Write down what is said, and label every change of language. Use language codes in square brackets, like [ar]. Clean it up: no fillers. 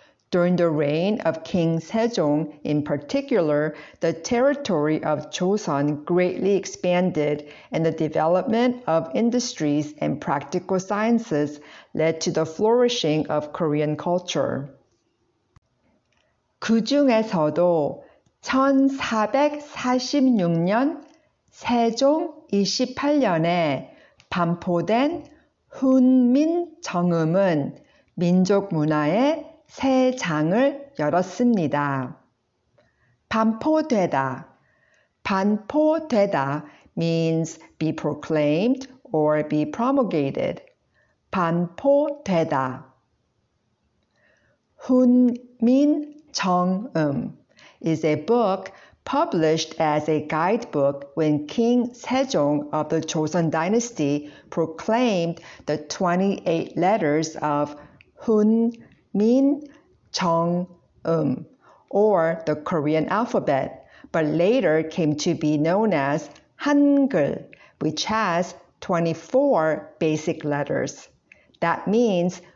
[en] During the reign of King Sejong in particular, the territory of Joseon greatly expanded and the development of industries and practical sciences led to the flourishing of Korean culture. [ko] 그 중에서도 1446년 세종 28년에 반포된 훈민정음은 민족 문화의 새 장을 열었습니다. 반포되다. [en] 반포되다 means be proclaimed or be promulgated. [ko] 반포되다. [en] 훈민정음 is a book published as a guidebook when King Sejong of the Joseon Dynasty proclaimed the 28 letters of Hunminjeongeum, or the Korean alphabet, but later came to be known as Hangul, which has 24 basic letters. That means